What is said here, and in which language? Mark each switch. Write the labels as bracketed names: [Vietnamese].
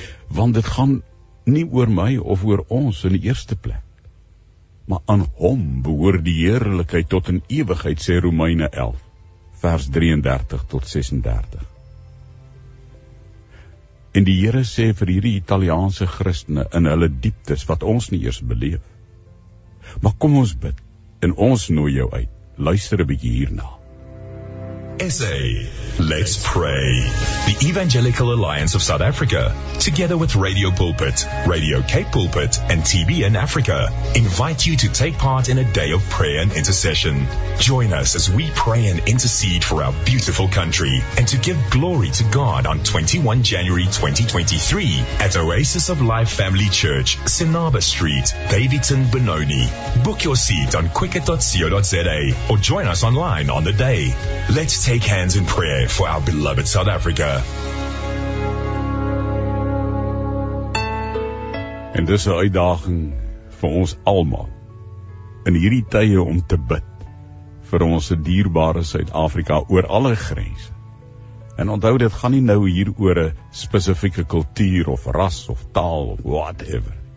[Afrikaans] Want dit gaan nie oor my of oor ons in die eerste plek, maar aan hom behoor die heerlikheid tot in ewigheid, sê Romeine 11 vers 33 tot 36. En die Here sê vir hierdie Italiaanse Christene in hulle dieptes wat ons nie eers beleef, maar kom ons bid en ons nooi jou uit. Luister 'n bietjie hierna. [English] SA, let's pray. The Evangelical Alliance of South Africa, together with Radio Pulpit, Radio Cape Pulpit, and TBN Africa, invite you to take part in a day of prayer and intercession. Join us as we pray and intercede for our beautiful country and to give glory to God on 21 January 2023 at Oasis of Life Family Church, Sinaba Street, Davyton, Benoni. Book your seat on quicket.co.za or join us online on the day. Let's take hands in prayer for our beloved South Africa. [Afrikaans] En dis 'n uitdaging vir ons almal in hierdie tye om te bid vir ons dierbare Suid-Afrika oor alle grense. En onthou, dit gaan nie nou hier oor 'n spesifieke kultuur of ras of taal of whatever.